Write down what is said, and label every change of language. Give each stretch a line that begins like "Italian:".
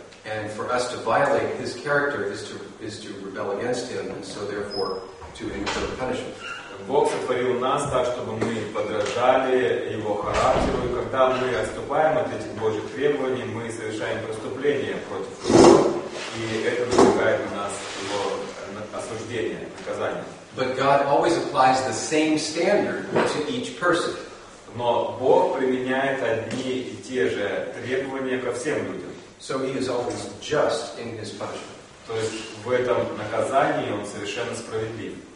English: And for us to violate His character is to rebel against Him, and so therefore to incur punishment.
Russian: Бог сотворил нас так, чтобы мы подражали Его характеру, и когда мы отступаем от этих Божьих требований, мы совершаем преступление против Него, и это вызывает у нас Его осуждение, наказание.
English: But God always applies the same standard to each person.
Russian: Но Бог применяет одни и те же требования ко всем людям.
English: So He is always just in His punishment.
Russian: То есть в этом наказании Он совершенно справедлив.